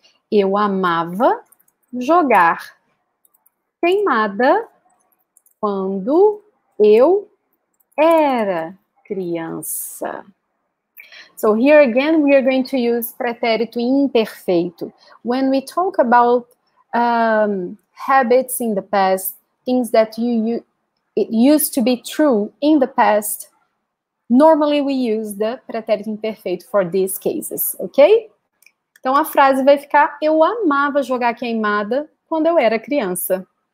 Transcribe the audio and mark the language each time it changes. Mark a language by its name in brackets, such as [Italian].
[Portuguese] Eu amava jogar queimada quando eu era criança. [English] So here again, we are going to use pretérito imperfeito. When we talk about habits in the past, things that it used to be true in the past, normally we use the pretérito imperfeito for these cases, ok? [Portuguese] Então a frase vai ficar, eu amava jogar queimada quando eu era criança.